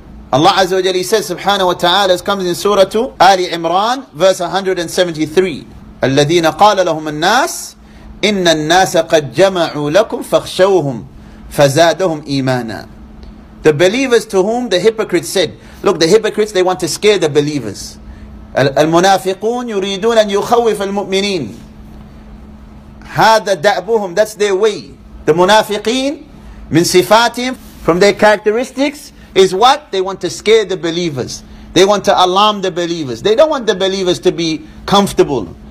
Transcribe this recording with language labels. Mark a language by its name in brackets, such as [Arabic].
[English] Allah Azza wa Jalla says, subhanahu wa ta'ala, comes in Surah Ali Imran, verse 173. [Arabic] الَّذِينَ قَالَ لَهُمَ النَّاسِ إِنَّ النَّاسَ قَدْ جَمَعُوا لَكُمْ فَخْشَوْهُمْ فَزَادَهُمْ إِيمَانًا. [English] The believers to whom the hypocrites said. Look, the hypocrites, they want to scare the believers. [Arabic] المنافقون يريدون أن يخوف المؤمنين. هذا دعبهم, [English] that's their way. The منافقين, [Arabic] من صفاتهم, [English] from their characteristics, is what? They want to scare the believers. They want to alarm the believers. They don't want the believers to be comfortable.